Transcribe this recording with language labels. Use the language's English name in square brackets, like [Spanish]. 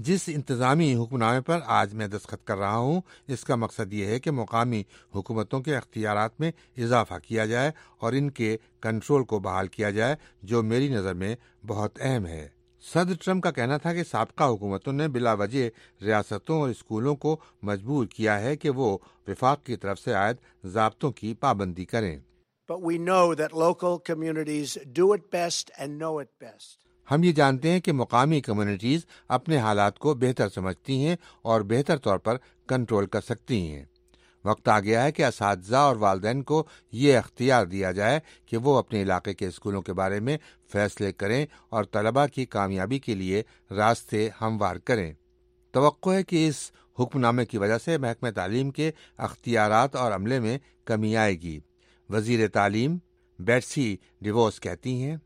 [Urdu] جس انتظامی حکم نامے پر آج میں دستخط کر رہا ہوں، اس کا مقصد یہ ہے کہ مقامی حکومتوں کے اختیارات میں اضافہ کیا جائے اور ان کے کنٹرول کو بحال کیا جائے، جو میری نظر میں بہت اہم ہے۔ صدر ٹرمپ کا کہنا تھا کہ سابقہ حکومتوں نے بلا وجہ ریاستوں اور اسکولوں کو مجبور کیا ہے کہ وہ وفاق کی طرف سے عائد ضابطوں کی پابندی کریں۔ [English] But we know that local communities do it best and know it best. [Urdu] ہم یہ جانتے ہیں کہ مقامی کمیونٹیز اپنے حالات کو بہتر سمجھتی ہیں اور بہتر طور پر کنٹرول کر سکتی ہیں۔ وقت آ گیا ہے کہ اساتذہ اور والدین کو یہ اختیار دیا جائے کہ وہ اپنے علاقے کے اسکولوں کے بارے میں فیصلے کریں اور طلبہ کی کامیابی کے لیے راستے ہموار کریں۔ توقع ہے کہ اس حکم نامے کی وجہ سے محکمہ تعلیم کے اختیارات اور عملے میں کمی آئے گی۔ وزیر تعلیم بیٹسی ڈیووس کہتی ہیں،